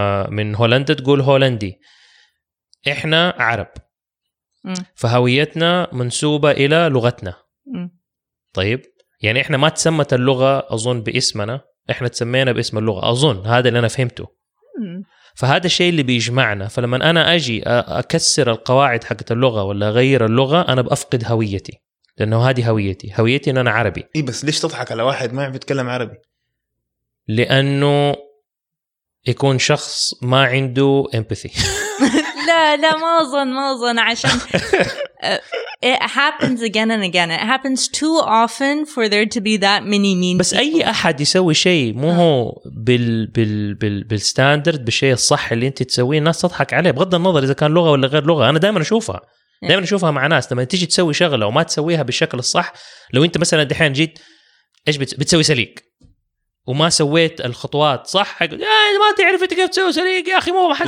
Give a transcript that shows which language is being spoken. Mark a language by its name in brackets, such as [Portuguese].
[Arabic] من هولندا تقول هولندي إحنا عرب فهويتنا منسوبة إلى لغتنا طيب يعني إحنا ما تسمت اللغة أظن باسمنا إحنا تسمينا باسم اللغة أظن هذا اللي أنا فهمته فهذا الشيء اللي بيجمعنا فلما أنا أجي أكسر القواعد حقت اللغة ولا أغير اللغة أنا بأفقد هويتي لأنه هذه هويتي إن أنا عربي إيه بس ليش تضحك على واحد ما يعرف يتكلم عربي لأنه يكون شخص ما عنده empathy لا ما أظن عشان [English] it happens again and again it happens too often for there to be that many mean [Arabic] بس أي أحد يسوي شيء مو هو بال بال بال بالستاندرد بالشيء الصح اللي أنت تسويه الناس تضحك عليه بغض النظر إذا كان لغة ولا غير لغة أنا دائما أشوفها دائما نشوفها مع ناس لما تيجي تسوي شغله وما تسويها بالشكل الصح لو انت مثلا دحين جيت ايش بتسوي سليك وما سويت الخطوات صح ما تعرف انت كيف تسوي سليك يا اخي مو ما